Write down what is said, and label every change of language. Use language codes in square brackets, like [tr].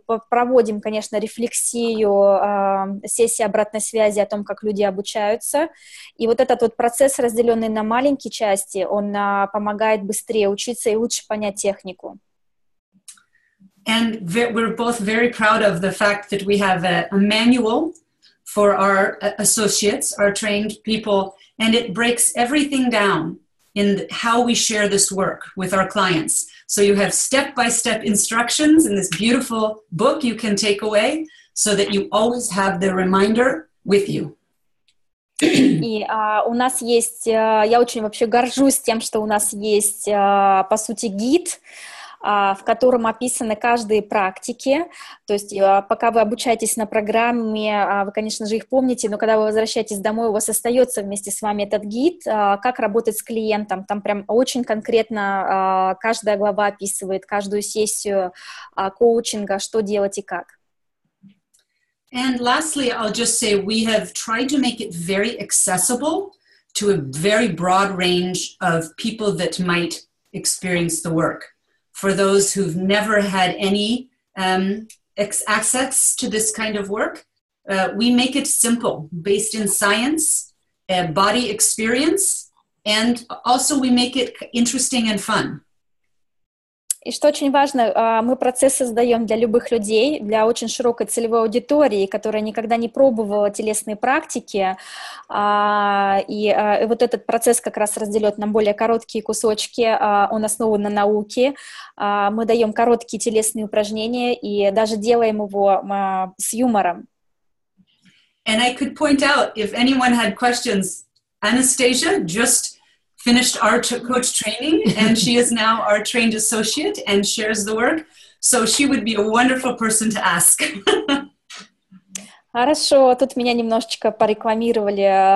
[ru] Проводим, конечно, рефлексию, сессии обратной связи о том, как люди обучаются. И вот этот вот процесс, разделенный на маленькие части, он помогает быстрее учиться и лучше понять технику. [en] And we're both very proud of the fact that we have a manual for our associates, our trained people, and it breaks everything down in how we share this work with our clients. So you have step-by-step instructions in this beautiful book you can take away so that you always have the reminder with you. [ru] И у нас есть, я очень вообще горжусь тем, что у нас есть, по сути, гид, в котором описаны каждые практики. То есть пока вы обучаетесь на программе, вы, конечно же, их помните, но когда вы возвращаетесь домой, у вас остается вместе с вами этот гид, как работать с клиентом. Там прям очень конкретно каждая глава описывает каждую сессию коучинга, что делать и как. [en] And lastly, I'll just say we have tried to make it very accessible to a very broad range of people that might experience the work. For those who've never had any access to this kind of work, we make it simple, based in science, body experience, and also we make it interesting and fun. [ru] И что очень важно, мы процесс создаем для любых людей, для очень широкой целевой аудитории, которая никогда не пробовала телесные практики. И вот этот процесс как раз разделит на более короткие кусочки, он основан на науке. Мы даем короткие телесные упражнения и даже делаем его с юмором. [en] And I could point out, if anyone had questions, Anastasia just finished our coach training, and she is now our trained associate and shares the work. So she would be a wonderful person to ask. [ru] Хорошо, тут меня немножечко порекламировали.